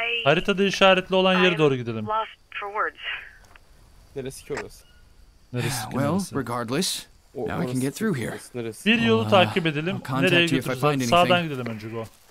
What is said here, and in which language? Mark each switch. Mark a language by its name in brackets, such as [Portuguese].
[Turkish] Haritada işaretli olan yere doğru gidelim. Neresi ki orası? Neresi ki well, neresi? [English] Regardless, now I can get through here. [Turkish] Bir yolu takip edelim. Nereye götürürsen sağdan gidelim önce [English] go.